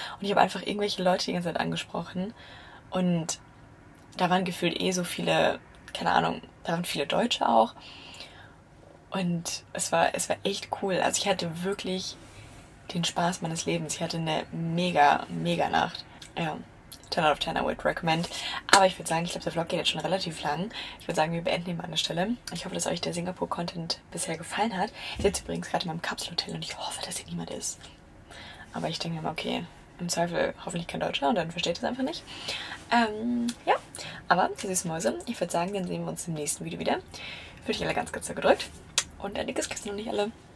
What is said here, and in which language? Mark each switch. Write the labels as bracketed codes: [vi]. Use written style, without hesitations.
[de] Und ich habe einfach irgendwelche Leute die ganze Zeit angesprochen. Und da waren gefühlt eh so viele, keine Ahnung, da waren viele Deutsche auch. Und es war echt cool. Also ich hatte wirklich den Spaß meines Lebens. Ich hatte eine mega, mega Nacht. [en] Ja, 10 out of 10, I would recommend. [de] Aber ich würde sagen, ich glaube, der Vlog geht jetzt schon relativ lang. Ich würde sagen, wir beenden ihn mal an der Stelle. Ich hoffe, dass euch der Singapur-Content bisher gefallen hat. Ich sitze übrigens gerade in meinem Kapselhotel und ich hoffe, dass hier niemand ist. Aber ich denke immer, okay, im Zweifel hoffentlich kein Deutscher und dann versteht es einfach nicht. Ja, aber ihr süßen Mäuse, ich würde sagen, dann sehen wir uns im nächsten Video wieder. Fühlt euch alle ganz, ganz so gedrückt. Und ein dickes Küsschen noch nicht alle.